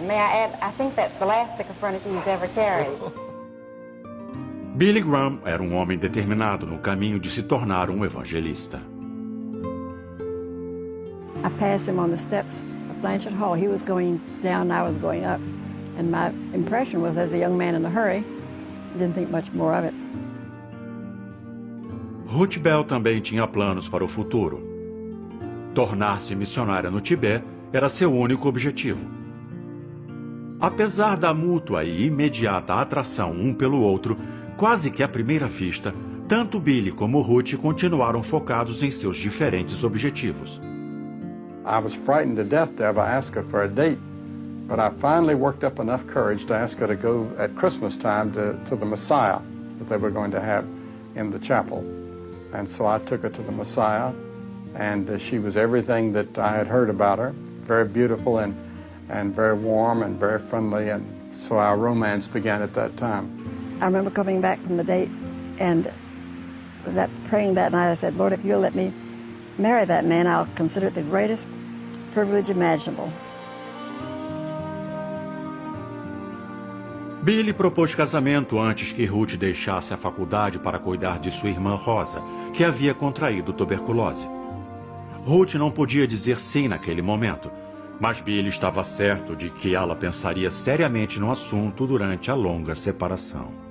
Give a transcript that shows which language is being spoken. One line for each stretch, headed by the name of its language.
English: May I add, I think that's the last stick of furniture he's ever carried.
Portuguese: Billy Graham era um homem determinado no caminho de se tornar um evangelista.
English: I passed him on the steps of Blanchard Hall. He was going down, I was going up. And my impression was, as a young man in a hurry, didn't think much more of it.
Portuguese: Ruth Bell também tinha planos para o futuro. Tornar-se missionária no Tibete era seu único objetivo. Apesar da mútua e imediata atração um pelo outro, quase que à primeira vista, tanto Billy como Ruth continuaram focados em seus diferentes objetivos.
English: I was frightened to death to ever ask her for a date, but I finally worked up enough courage to ask her to go at Christmas time to the Messiah that they were going to have in the chapel. And so I took her to the Messiah. And she was everything that I had heard about her, very beautiful and very warm and very friendly, and so our romance began at that time. I remember coming back from the date and that praying that night, I said, "Lord, if you'll let me marry that man, I'll consider it the greatest privilege imaginable."
Portuguese: Billy propôs casamento antes que Ruth deixasse a faculdade para cuidar de sua irmã Rosa, que havia contraído tuberculose. Ruth não podia dizer sim naquele momento, mas Billy estava certo de que ela pensaria seriamente no assunto durante a longa separação.